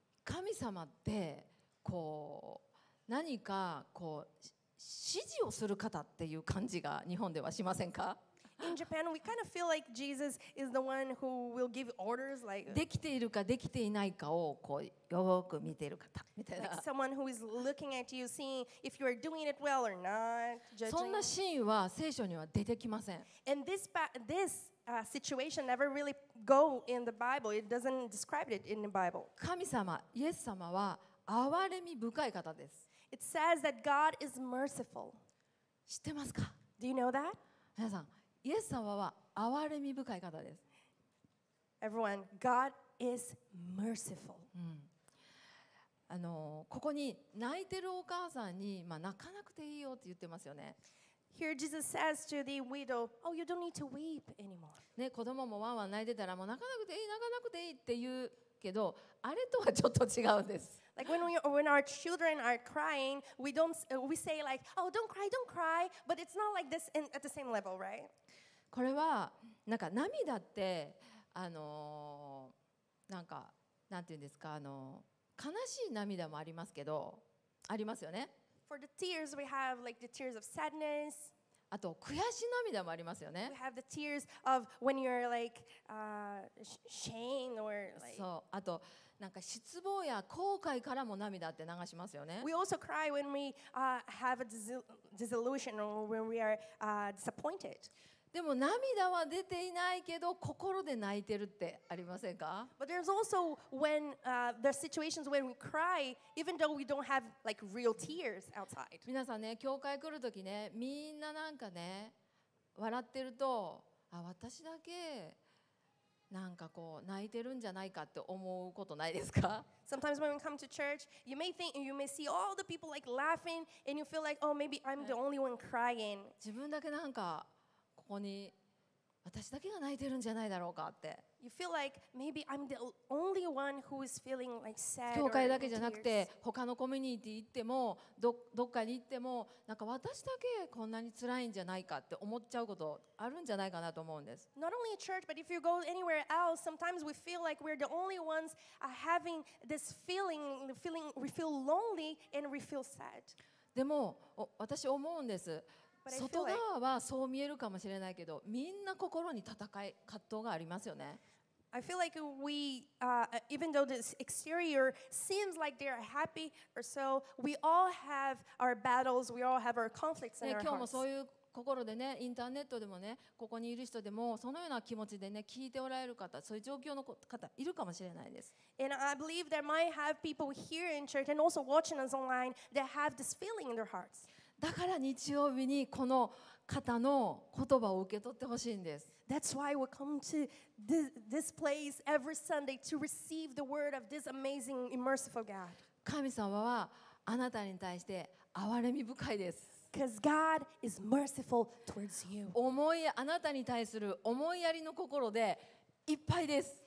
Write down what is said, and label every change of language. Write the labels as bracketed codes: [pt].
[ja] 神様ってこう何かこう指示をする方っていう感じが日本ではしませんか？ [en] In Japan, we kind of feel like Jesus is the one who will give orders, like [ja] できているかできていないかをこうよく見ている方みたいな。 [en] Like someone who is looking at you, seeing if you are doing it well or not. [ja] そんなシーンは聖書には出てきません。 [en] And this situation never really go in the Bible. It doesn't describe it in the Bible. [ja] 神様、イエス様は憐れみ深い方です。 [en] It says that God is merciful. [ja] 知ってますか？ [en] Do you know that? [ja] 皆さん、イエス様は憐れみ深い方です。 [en] Everyone, God is merciful. [ja] ここに泣いてるお母さんに、まあ、泣かなくていいよって言ってますよね。 [en] Here Jesus says to the widow, "Oh, you don't need to weep anymore." [ja] ね、子供もわんわん泣いてたらもう泣かなくていい、泣かなくていいって言うけど、あれとはちょっと違うんです。 [en] Like when our children are crying, we say like, "Oh, don't cry, don't cry." But it's not like this at the same level, right? [ja] これはなんか涙ってなんかなんていうんですか悲しい涙もありますけどありますよね。 [en] For the tears, we have like the tears of sadness. [ja] あと悔しい涙もありますよね。 [en] We have the tears of when you're like shame or like. [ja] そう。あとなんか失望や後悔からも涙って流しますよね。 [en] We also cry when we have a disillusion or when we are disappointed. [ja] でも涙は出ていないけど心で泣いてるってありませんか？ [en] But there's also when there are situations when we cry even though we don't have like real tears outside. [ja] 皆さんね、教会来るときね、みんななんかね、笑ってると、あ、私だけ。なんかこう泣いてるんじゃないかって思うことないですか？ [en] Sometimes when we come to church, you may think you may see all the people like laughing and you feel like, oh, maybe I'm the only one crying. [ja] 自分だけなんかここに私だけが泣いてるんじゃないだろうかって。 [en] You feel like maybe I'm the only one who is feeling like sad or tears. [ja] 教会だけじゃなくて他のコミュニティ行ってもどっかに行ってもなんか私だけこんなに辛いんじゃないかって思っちゃうことあるんじゃないかなと思うんです。 [en] Not only a church, but if you go anywhere else, sometimes we feel like we're the only ones having this feeling we feel lonely and we feel sad. [ja] でも私思うんです。外側はそう見えるかもしれないけど、みんな心に戦い、葛藤がありますよね。 [en] I feel like we, even though this exterior seems like they are happy or so, we all have our battles, we all have our conflicts in our hearts. [ja] 今日もそういう心でね、インターネットでもね、ここにいる人でも、そのような気持ちでね、聞いておられる方、そういう状況の方、いるかもしれないです。 [en] And I believe there might have people here in church and also watching us online that have this feeling in their hearts. [ja] だから日曜日にこの方の言葉を受け取ってほしいんです。 [en] That's why we come to this place every Sunday to receive the word of this amazing, merciful God. [ja] 神様はあなたに対して憐れみ深いです。 [en] Because God is merciful towards you. [ja] あなたに対する思いやりの心でいっぱいです。